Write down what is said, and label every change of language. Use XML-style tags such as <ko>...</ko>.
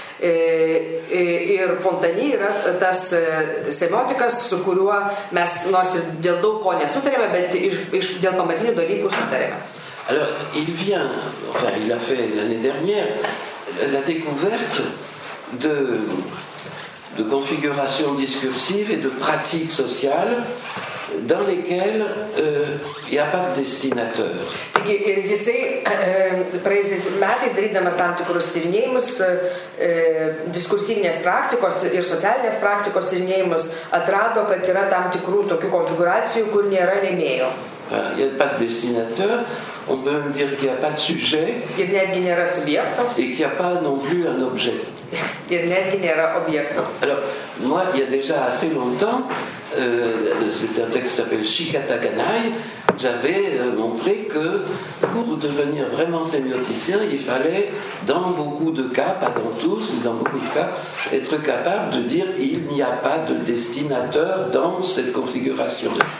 <lt>Ir Fontani yra tas semiotikas, su kuriuo mes nors ir dėl daug ko nesutarėme, bet iš dėl pamatinių dalykų sutarėme.</lt> <fr>Alors, il vient, enfin, il a fait l'année dernière la découverte de configurations discursives et de pratiques sociales dans lesquelles il n'y a pas de destinateur.</fr> <lt>Taigi, ir jisai praėjusiais metais, darydamas tam tikrus tyrinėjimus, diskursyvinės praktikos ir socialinės praktikos tyrinėjimus, atrado, kad yra tam tikrų tokių konfiguracijų, kur nėra lėmėjo.</lt> <fr>Il n'y a pas de destinateur, on peut même dire qu'il n'y a pas de sujet.</fr> <lt>Ir netgi nėra subjekto.</lt> <fr>Et qu'il n'y a pas non plus un objet.</fr> <lt>Ir netgi nėra objekto.</lt> <fr>Alors, moi, il y a déjà assez longtemps, c'est un texte qui s'appelle Shikata Ganai, j'avais montré que pour devenir vraiment sémioticien, il fallait, dans beaucoup de cas, pas dans tous, mais dans beaucoup de cas, être capable de dire il n'y a pas de destinateur dans cette configuration.</fr>